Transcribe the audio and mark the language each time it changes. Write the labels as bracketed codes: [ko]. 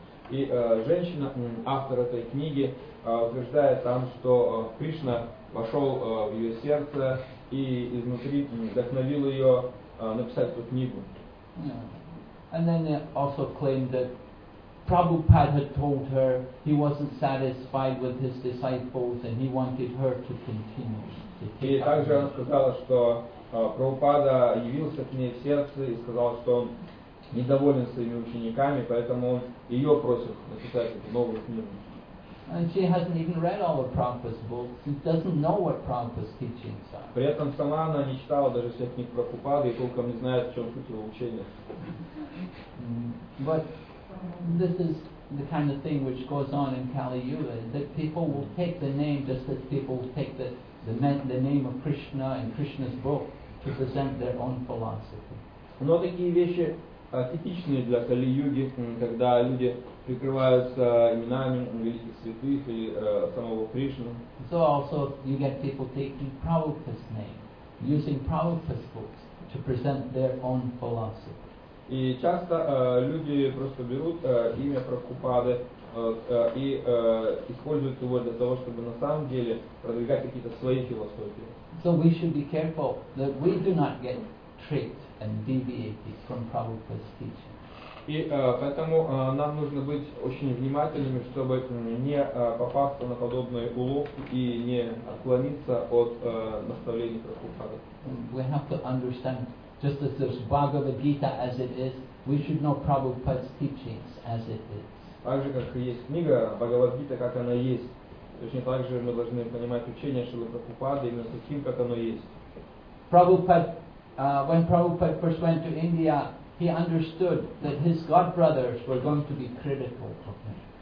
[ru] И женщина, автор этой книги, утверждает там, что Кришна вошел в ее сердце и изнутри вдохновил ее написать эту книгу. [en] Yeah. And then they also claimed that Prabhupada had told her he wasn't satisfied with his disciples and he wanted her to continue. [ru] И также она сказала, что Прабхупада явился к ней в сердце и сказал, что он недоволен своими учениками, поэтому он ее просит написать эту новую книгу. [en] And she hasn't even read all of Prabhupada's books. She doesn't know what Prabhupada's teachings are. [ru] При этом сама она не читала даже всех книг Прабхупады и толком не знает, в чем суть его учения. [en] But this is the kind of thing which goes on in Kali Yuga, that people will take the name just as people will take the name of Krishna and Krishna's book to present their own philosophy. [ru] Но такие вещи типичные для Кали-Юги, когда люди прикрываются именами великих святых или самого Кришны. [en] So also you get people taking Prabhupada's name, using Prabhupada's books to present their own philosophy. [ru] И часто люди просто берут имя Прабхупады и используют его для того, чтобы на самом деле продвигать какие-то свои философии. [en] So we should be careful that we do not get tricked and deviated from Prabhupada's teaching. [ru] И поэтому нам нужно быть очень внимательными, чтобы не попасться на подобные уловки и не отклониться от наставлений Прабхупады. [en] We have to understand, just as there's Bhagavad Gita as it is, we should know Prabhupada's teachings as it is. [ru] Также как есть книга Бхагавад Гита, как она есть. Точно так же мы должны понимать учение Шрилы Прабхупады именно таким, как оно есть. [en] When Prabhupada first went to India, he understood that his god brothers were going to be critical of him.